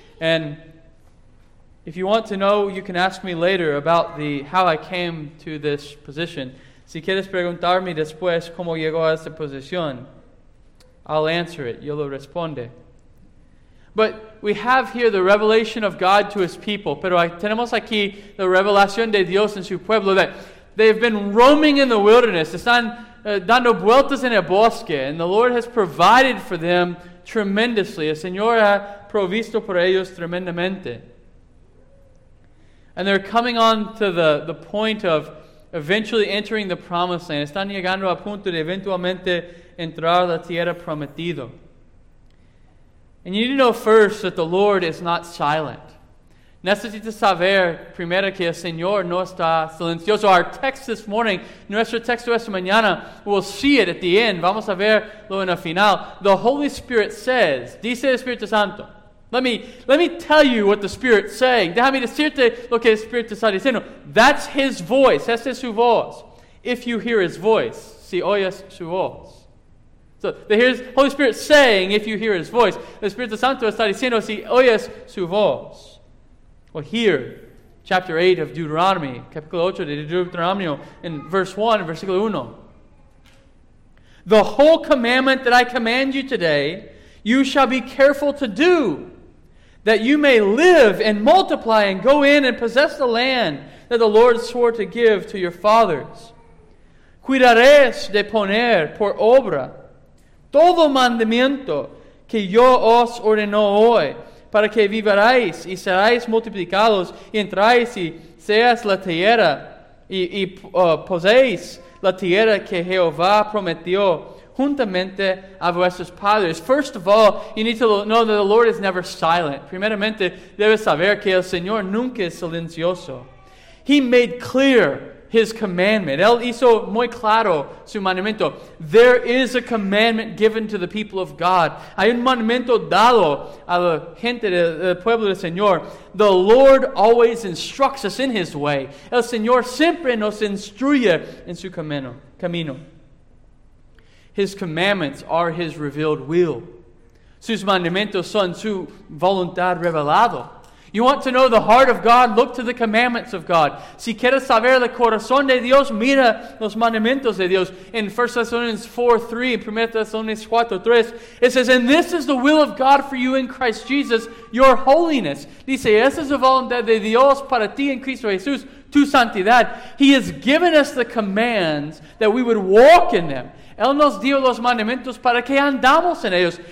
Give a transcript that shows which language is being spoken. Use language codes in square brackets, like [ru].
[en] And if you want to know, you can ask me later about the how I came to this position. [es] Si quieres preguntarme después cómo llegó a esta posición, [en] I'll answer it. [es] Yo lo responde. [en] But we have here the revelation of God to his people. [es] Pero tenemos aquí la revelación de Dios en su pueblo, [en] that they've been roaming in the wilderness. [es] Están dando vueltas en el bosque. [en] And the Lord has provided for them tremendously. [es] El Señor ha provisto por ellos tremendamente. [en] And they're coming on to the point of eventually entering the promised land. [es] Están llegando a punto de eventualmente entrar a la tierra prometida. [en] And you need to know first that the Lord is not silent. [es] Necesitas saber primero que el Señor no está silencioso. [en] Our text this morning, [es] nuestro texto esta mañana, [en] we'll see it at the end. [es] Vamos a verlo en el final. [en] The Holy Spirit says, [es] dice el Espíritu Santo. [en] Let me tell you what the Spirit's saying. [es] Déjame decirte lo que el Espíritu está diciendo. [en] That's his voice. [es] Esa es su voz. [en] If you hear his voice, [es] si oyes su voz. [en] So, here's the Holy Spirit saying, if you hear his voice. [es] El Espíritu Santo está diciendo, si oyes su voz. [en] Well, here, chapter 8 of Deuteronomy, [es] capítulo 8 de Deuteronomio, [en] in verse 1, [es] versículo 1. [en] The whole commandment that I command you today, you shall be careful to do, that you may live and multiply and go in and possess the land that the Lord swore to give to your fathers. [es] Cuidaréis de poner por obra todo mandamiento que yo os ordeno hoy, para que viváis y seáis multiplicados, y entráis y seáis la tierra, y poseéis la tierra que Jehová prometió juntamente a vuestros padres. [en] First of all, you need to know that the Lord is never silent. [es] Primeramente, debes saber que el Señor nunca es silencioso. [en] He made clear his commandment. [es] Él hizo muy claro su mandamiento. [en] There is a commandment given to the people of God. [es] Hay un mandamiento dado a la gente del pueblo del Señor. [en] The Lord always instructs us in his way. [es] El Señor siempre nos instruye en su camino. [en] His commandments are his revealed will. [es] Sus mandamientos son su voluntad revelado. [en] You want to know the heart of God? Look to the commandments of God. [es] Si quieres saber el corazón de Dios, mira los mandamientos de Dios. [en] In 1 Thessalonians 4:3, in 1 Thessalonians 4:3, it says, "And this is the will of God for you in Christ Jesus, your holiness." [es] Dice, "Esa es la voluntad de Dios para ti en Cristo Jesús, tu santidad." [en] He has given us the commands that we would walk in them. [es] Él nos dio los mandamientos para que andamos en ellos.